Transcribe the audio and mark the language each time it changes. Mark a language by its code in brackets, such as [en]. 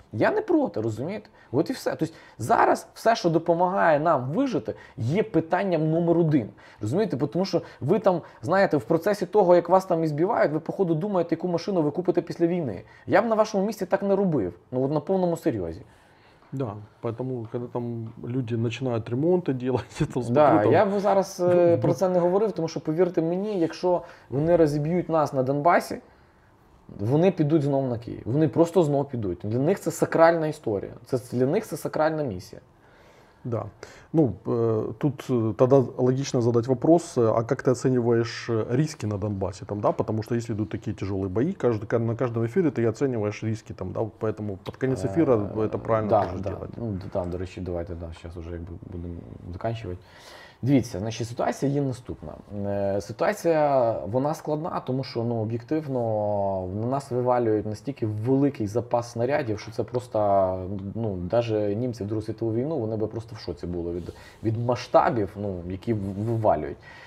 [uk] Я не проти, розумієте? От і все. Тобто зараз все, що допомагає нам вижити, є питанням номер один. Розумієте? Тому що ви там, знаєте, в процесі того, як вас там ізбивають, ви походу думаєте, яку машину ви купите після війни. Я б на вашому місці так не робив. Ну от на повному серйозі. [ru] Да, поэтому, когда там люди начинают ремонты делать, это смотрю, да, там... [uk] я бы зараз про це не говорив, тому що, повірте мені, якщо вони розіб'ють нас на Донбасі, вони підуть знову на Київ. Вони просто знову підуть. Для них це сакральна історія. Це для них це сакральна місія. Да. [ru] Ну, тут тогда логично задать вопрос, а как ты оцениваешь риски на Донбассе там, да? Потому что если идут такие тяжелые бои, на каждом эфире ты оцениваешь риски там, да? Поэтому под конец эфира это правильно тоже делать. Ну, да, до речи, давайте, да, сейчас уже будем заканчивать. [uk] Дивіться, значить, ситуація є наступна. Ситуація, вона складна, тому що, ну, об'єктивно, на нас вивалюють настільки великий запас снарядів, що це просто, ну, навіть німці в Другу світову війну, вони би просто в шоці були від масштабів, ну, які вивалюють.